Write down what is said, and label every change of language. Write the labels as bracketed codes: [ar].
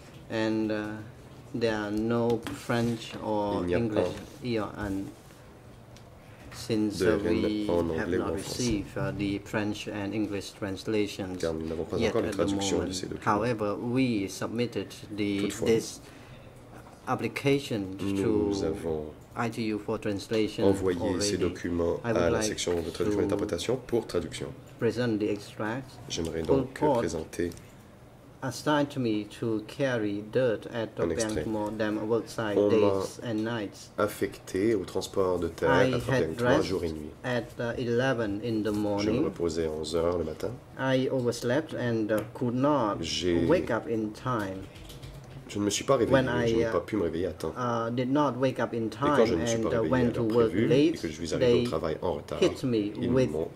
[en] And there are no French or English Eon, since we have not received the French and English translations yet at the moment. However, we submitted this application to ITU for translation. [fr] Envoyez ces documents à la section de traduction et interprétation pour traduction. [en] Present the extract. [fr] J'aimerais donc présenter. [en] Assigned to me to carry dirt at the Trapiang Tamal Dam worksite days and nights. [fr] Affecté au transport de terre à Trapiang Tamal jour et nuit. [en] At 11 in the morning. [fr] Je me reposais à 11h le matin. [en] I overslept and could not wake up in time. [fr] Je ne me suis pas réveillé, je n'ai pas pu me réveiller à temps. [en] Did not wake up in time [fr] et quand je ne [en] and [fr] suis pas réveillé à l'heure prévue, [en] late, [fr] et que je suis arrivé au travail en retard, ils m'ont